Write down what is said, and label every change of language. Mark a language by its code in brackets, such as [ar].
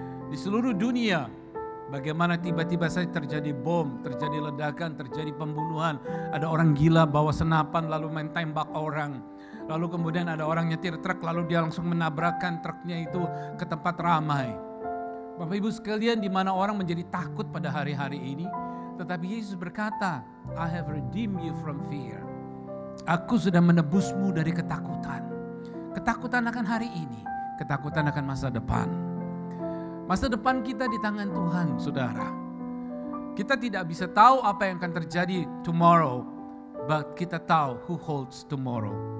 [id] Di seluruh dunia, bagaimana tiba-tiba saja terjadi bom, terjadi ledakan, terjadi pembunuhan. Ada orang gila bawa senapan lalu main tembak orang. Lalu kemudian ada orang nyetir truk lalu dia langsung menabrakkan truknya itu ke tempat ramai. Bapak Ibu sekalian, di mana orang menjadi takut pada hari-hari ini. Tetapi Yesus berkata, [en] I have redeemed you from fear. [id] Aku sudah menebusmu dari ketakutan. Ketakutan akan hari ini, ketakutan akan masa depan. Masa depan kita di tangan Tuhan, saudara. Kita tidak bisa tahu apa yang akan terjadi [en] tomorrow, but [id] kita tahu [en] who holds tomorrow.